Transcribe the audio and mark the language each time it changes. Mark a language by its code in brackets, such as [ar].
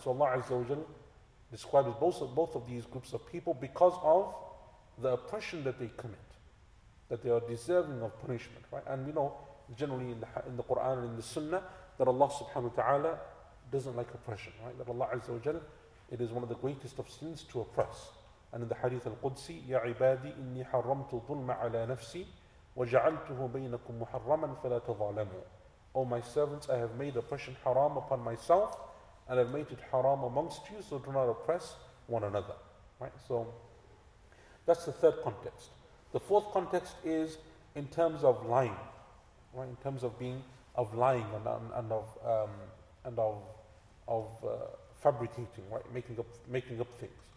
[en] So Allah Azza wa Jalla describes both of these groups of people because of the oppression that they commit, that they are deserving of punishment, right? And we know generally in the Quran and in the Sunnah that Allah subhanahu wa ta'ala doesn't like oppression, right? That Allah Azza wa Jal, it is one of the greatest of sins to oppress. And in the Hadith al-Qudsi, [ar] يَا عِبَادِي إِنِّي حَرَّمْتُ ظُلْمَ عَلَى نَفْسِي وَجَعَلْتُهُ بَيْنَكُمْ مُحَرَّمًا فَلَا تَظَالَمُوا. [en] O my servants, I have made oppression haram upon myself and I've made it haram amongst you, so do not oppress one another. Right? So that's the third context. The fourth context is in terms of lying, right? In terms of being of lying and of fabricating, right? Making up things.